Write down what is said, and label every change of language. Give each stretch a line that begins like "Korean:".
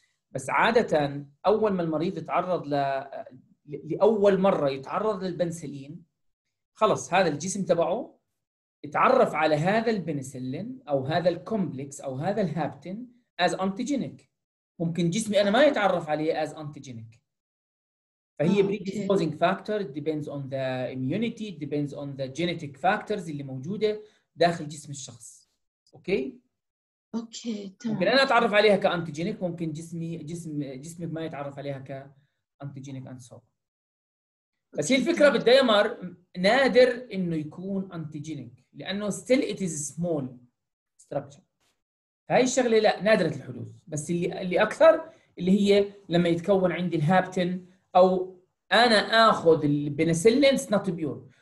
Arabic: بس عاده اول ما المريض يتعرض لاول مره يتعرض للبنسلين خلص هذا الجسم تبعه يتعرف على هذا البنسلين او هذا الكومبلكس او هذا الهابتين از انتيجينيك. ممكن جسمي انا ما يتعرف عليه از انتيجينيك.
English: فهي predisposing factor depends on the immunity depends on the genetic factors
Arabic: اللي موجودة داخل جسم الشخص.
English: okay
Arabic: اوكي ممكن تمام. انا اتعرف عليها كانتيجينيك، ممكن جسمي جسمك ما يتعرف عليها كانتيجينيك انسوب. بس هي اوكي الفكره تمام. بالدايمر نادر انه يكون انتيجينيك لانه
English: Still it is small structure.
Arabic: هاي الشغله لا نادره الحدوث، بس اللي اكثر اللي هي لما يتكون عندي الهابتن او انا اخذ البنسلين نوت بيور.